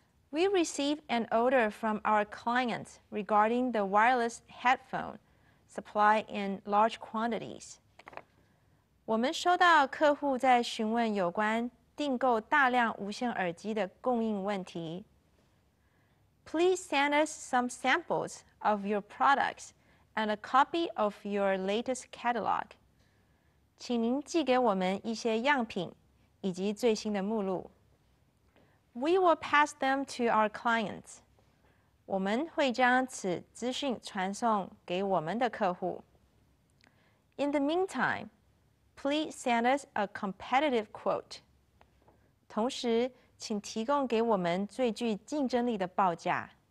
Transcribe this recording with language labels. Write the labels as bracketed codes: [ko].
[en] We received an order from our clients regarding the wireless headphone supply in large quantities. [zh] 我们收到客户在询问有关订购大量无线耳机的供应问题。 [en] Please send us some samples of your products and a copy of your latest catalog. [zh] 请您寄给我们一些样品以及最新的目录。 [en] We will pass them to our clients. [zh] 我们会将此资讯传送给我们的客户。 [en] In the meantime, please send us a competitive quote. [zh] 同时，请提供给我们最具竞争力的报价。